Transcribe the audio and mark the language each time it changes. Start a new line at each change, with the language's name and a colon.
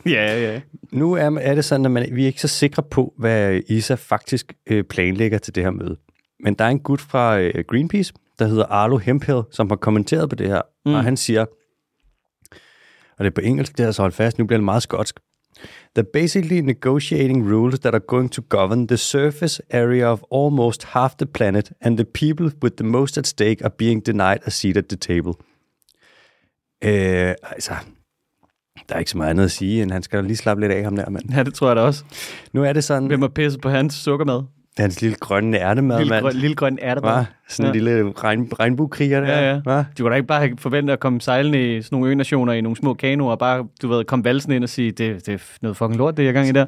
Danish: Ja, ja. Nu er det sådan, at vi er ikke så sikre på, hvad ISA faktisk planlægger til det her møde. Men der er en gut fra Greenpeace, der hedder Arlo Hemphill, som har kommenteret på det her. Mm. Og han siger, og det er på engelsk, det er så holdt fast, nu bliver det meget skotsk.
English: They're basically negotiating rules that are going to govern the surface area of almost half the planet, and the people with the most at stake are being denied a seat at the table.
Danish: Altså, der er ikke så meget andet at sige, end han skal lige slappe lidt af ham der, mand. Ja, det tror jeg da også. Nu er det sådan... Hvem har pisset på hans sukkermad? Hans lille grønne ærtemad, lille mand. Lille grønne ærtemad. Hva? Sådan en lille regnbuekriger der. Ja, ja. Hva? De kunne da ikke bare forvente at komme sejlende i sådan nogle ø-nationer i nogle små kanoer, og bare, du ved, komme valsen ind og sige, det er noget fucking lort, det er gang i der.